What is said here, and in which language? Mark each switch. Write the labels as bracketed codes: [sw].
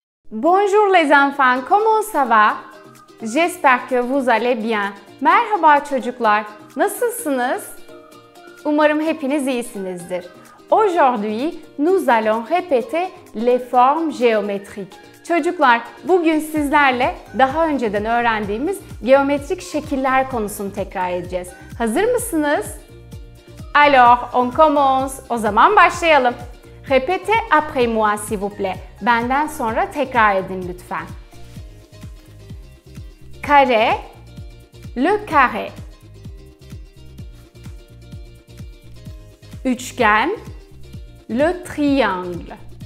[fr] Bonjour les enfants, comment ça va? J'espère que vous allez bien. [tr] Merhaba çocuklar, nasılsınız? Umarım hepiniz iyisinizdir. [fr] Aujourd'hui, nous allons répéter les formes géométriques. [tr] Çocuklar, bugün sizlerle daha önceden öğrendiğimiz geometrik şekiller konusunu tekrar edeceğiz. Hazır mısınız? [fr] Alors, on commence. [tr] O zaman başlayalım. [fr] Répétez après moi, s'il vous plaît. [tr] Benden sonra tekrar edin lütfen. [fr] Carré, le carré. Üçgen, le triangle.